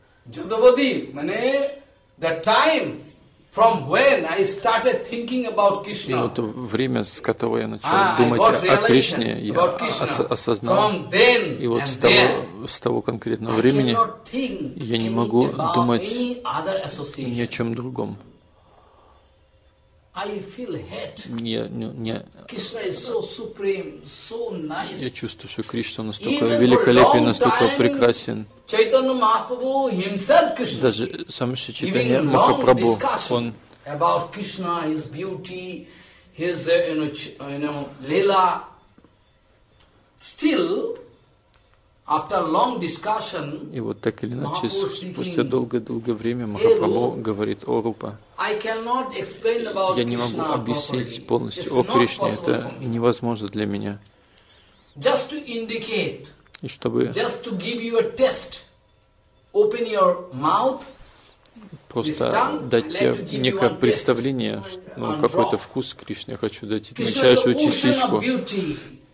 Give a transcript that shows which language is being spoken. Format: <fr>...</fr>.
<sa>Jadavadi, mane,</sa> <en>the time from when I started thinking about Krishna.</en> <ru>И вот время, с которого я начал думать о Кришне, я осознал.</ru> <en>From then,</en> <ru>и вот с того конкретного времени я не могу думать ни о чем другом.</ru> <en>I feel hate.</en> <ru>Не.</ru> <en>Krishna is so supreme, so nice.</en> <ru>Я чувствую, что Кришна настолько великолепен, настолько прекрасен.</ru> <en>Chaitanya Mahaprabhu himself, Krishna.</en> <ru>Даже сам Шри Чайтанья Махапрабху, он</ru> <en>about Krishna, his beauty, his lila. Still, after long discussion,</en> <ru>и вот так или иначе, спустя долгое-долгое время, Махапрабху говорит: о Рупа, я не могу объяснить полностью о Кришне, это невозможно для меня.</ru> <en>Just to indicate,</en> <ru>и чтобы</ru> <en>just to give you a test, open your mouth,</en> <ru>просто дать тебе некое представление, ну, какой-то вкус Кришны, я хочу дать тебе мельчайшую частичку.</ru>